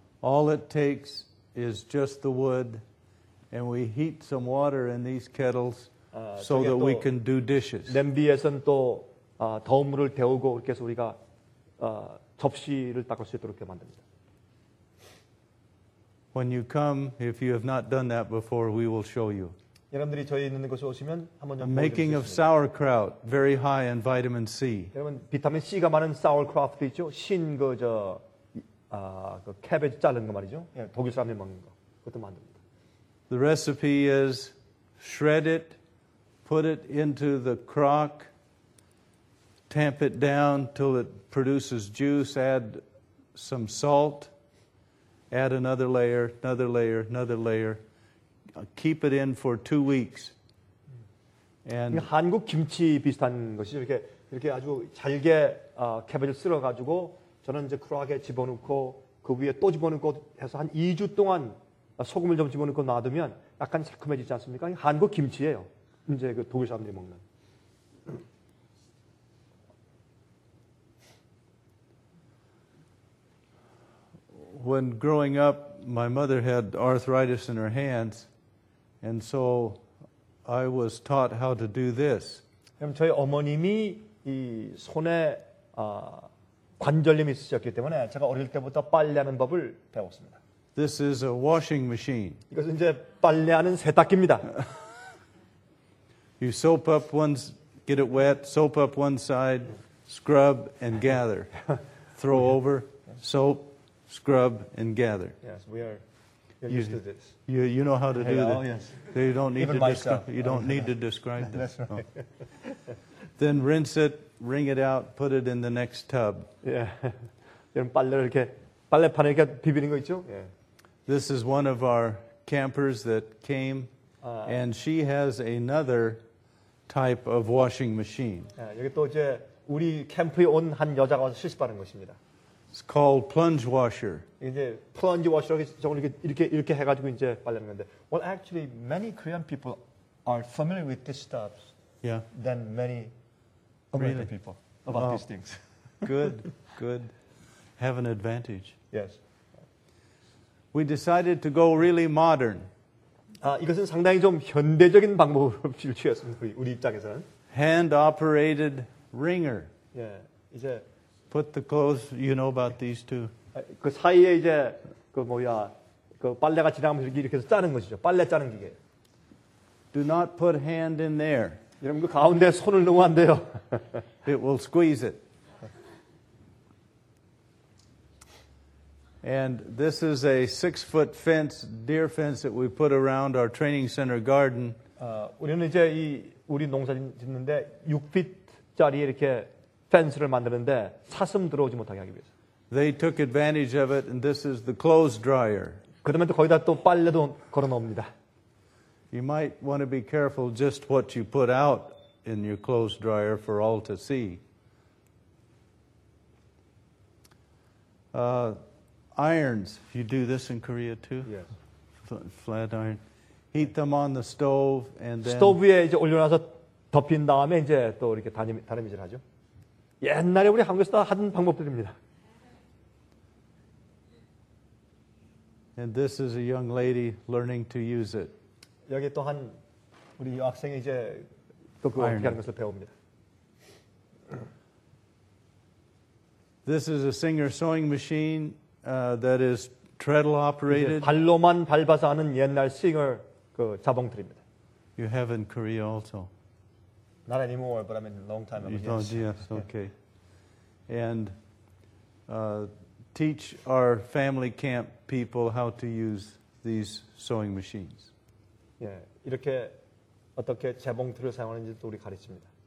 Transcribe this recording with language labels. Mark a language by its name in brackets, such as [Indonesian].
[English] All it takes is just the wood, and we heat some water in these kettles so that we can do dishes. [Korean] 냄비에선 또 더운 물을 데우고 이렇게 해서 우리가 접시를 닦을 수 있도록 만듭니다. [English] When you come, if you have not done that before, we will show you. [Korean] 여러분들이 저희 있는 곳에 오시면 한번 좀 [English] Making of sauerkraut, very high in vitamin C. [Korean] 여러분 비타민 C가 많은 sauerkraut도 있죠. 신 그 저 그 캐베지 자른 거 말이죠. 예, 독일 사람들이 먹는 거. 그것도 만듭니다. [English] The recipe is shred it, put it into the crock, tamp it down till it produces juice, add some salt, add another layer, another layer, another layer. Keep it in for 2 weeks. And [Korean] 한국 김치 비슷한 것이죠. 이렇게 아주 잘게 캐베지를 썰어 가지고 저는 이제 크록에 집어넣고 그 위에 또 집어넣고 해서 한 2주 동안 소금을 좀 집어넣고 놔두면 약간 새콤해지지 않습니까? 한국 김치예요. 이제 그 독일 사람들이 먹는. [English] When growing up, my mother had arthritis in her hands, and so I was taught how to do this. [Korean] 그럼 저희 어머님이 이 손에 관절염이 있으셨기 때문에 제가 어릴 때부터 빨래하는 법을 배웠습니다. [English] This is a washing machine. [Korean] 이것은 이제 빨래하는 세탁기입니다. [English] You soap up one, get it wet, soap up one side, scrub and gather. Throw over, soap, scrub and gather. Yes, we are used to this. You know how to do that. Oh, yes. You don't need, to describe that. That's right. Oh. Then rinse it, wring it out, put it in the next tub. Yeah. [Korean] 여러분 빨래를 이렇게 빨래판에 이렇게 비비는 거 있죠? [English] This is one of our campers that came, and she has another type of washing machine. [Korean] 여기 또 이제 우리 캠프에 온 한 여자가 와서 실습 받은 것입니다. [English] It's called plunge washer. [Korean] 이제 plunge washer 이렇게 해가지고 이제 빨래하는 건데. [English] Well, actually, many Korean people are familiar with this stuff. Yeah. Than many American people about these things. Good, good. Have an advantage. Yes. We decided to go really modern. [Korean] 이것은 상당히 좀 현대적인 방법을 취했습니다. 우리 입장에서는. [English] Hand-operated wringer. [Korean] 예, 이제. [English] Put the clothes. You know about these two. [Korean] 그 사이에 이제 그 뭐야 그 빨래가 지나가면서 이렇게 해서 짜는 것이죠. 빨래 짜는 기계. [English] Do not put hand in there. [Korean] 여러분 그 가운데 손을 넣으면 안 돼요. [English] It will squeeze it. And this is a 6-foot fence, deer fence that we put around our training center garden. [Korean] 우리는 이제 이 우리 농사 짓는데 6피트짜리 이렇게 펜스를 만드는데 사슴 들어오지 못하게 하기 위해서. [English] They took advantage of it, and this is the clothes dryer. [Korean] 그러면 또 거기다 또 빨래도 걸어놓습니다. [English] You might want to be careful just what you put out in your clothes dryer for all to see. Irons, you do this in Korea too? Yes. Flat iron. Heat them on the stove and then. [Korean] 스토브 위에 이제 올려놔서 덮인 다음에 이제 또 이렇게 다리미질 하죠. 옛날에 우리 한국에서 하던 방법들입니다. [English] And this is a young lady learning to use it. [Korean] 여기 또한 우리 학생이 이제 또 그 어떻게 하는 것을 배웁니다. [English] This is a Singer sewing machine that is treadle operated. [Korean] 발로만 밟아서 하는 옛날 싱어 그 자봉틀입니다. [English] You have in Korea also. Not anymore, but I mean long time ago. Oh, yes, okay. And teach our family camp people how to use these sewing machines. [Korean] 예, 이렇게 어떻게 재봉틀을 사용하는지 또 우리 가르칩니다.